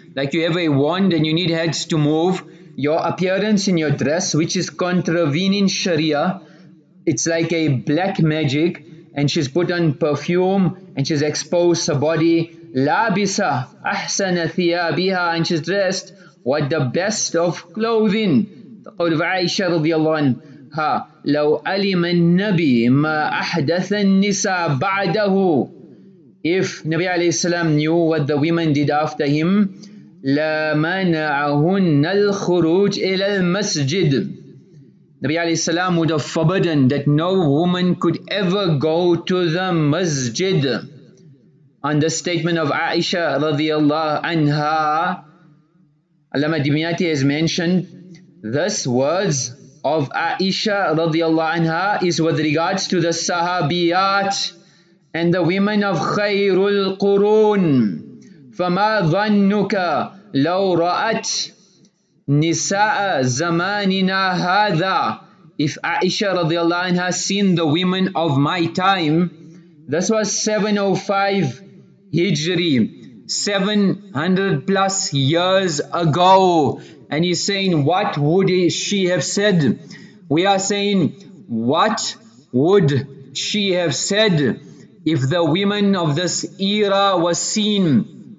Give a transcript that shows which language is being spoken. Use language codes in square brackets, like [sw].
[en] Like you have a wand and you need heads to move, your appearance in your dress, which is contravening sharia, it's like a black magic, and she's put on perfume and she's exposed her body. [ar] Labisa ahsana thiyabiha, [en] and she's dressed with the best of clothing. The Qawl of Aisha radiallahu anha, [ar] لو علم النبي ما أحدث النساء بعده. [en] If Nabi عليه السلام knew what the women did after him, [ar] لَمَنَعَهُنَّ الْخُرُوجِ إِلَى الْمَسْجِدِ. [en] Nabi عليه السلام would have forbidden that no woman could ever go to the masjid. On the statement of Aisha رضي الله عنها, Allama Dimyati has mentioned this words of Aisha رضي الله عنها is with regards to the Sahabiyat and the women of خير القرون. [ar] فما ظنك لو رأت نساء زماننا هذا. [en] If Aisha رضي الله عنها seen the women of my time, this was 705 Hijri, 700 plus years ago. And he's saying, what would she have said? We are saying, what would she have said if the women of this era were seen?